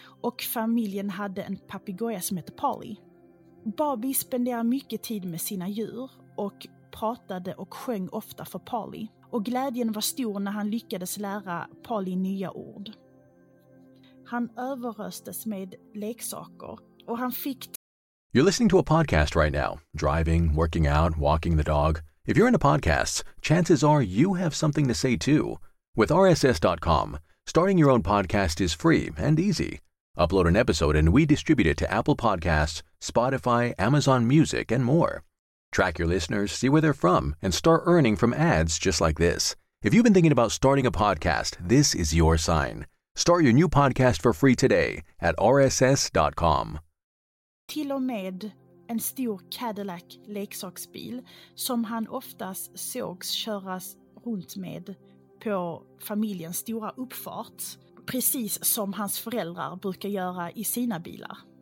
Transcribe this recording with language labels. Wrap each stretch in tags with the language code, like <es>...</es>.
<sv>Och familjen hade en papegoja som hette Polly. Barbie spenderade mycket tid med sina djur och pratade och sjöng ofta för Polly. Och glädjen var stor när han lyckades lära Polly nya ord. Han överröstes med leksaker och han fick...</sv> <en>You're listening to a podcast right now. Driving, working out, walking the dog. If you're into podcasts, chances are you have something to say too. With RSS.com, starting your own podcast is free and easy. Upload an episode and we distribute it to Apple Podcasts, Spotify, Amazon Music, and more. Track your listeners, see where they're from, and start earning from ads just like this. If you've been thinking about starting a podcast, this is your sign. Start your new podcast for free today at RSS.com.</en> <sv>Till och med en stor Cadillac-leksaksbil som han oftast sågs köras runt med på familjens stora uppfart. Precis som hans föräldrar brukar göra i sina bilar.</sv>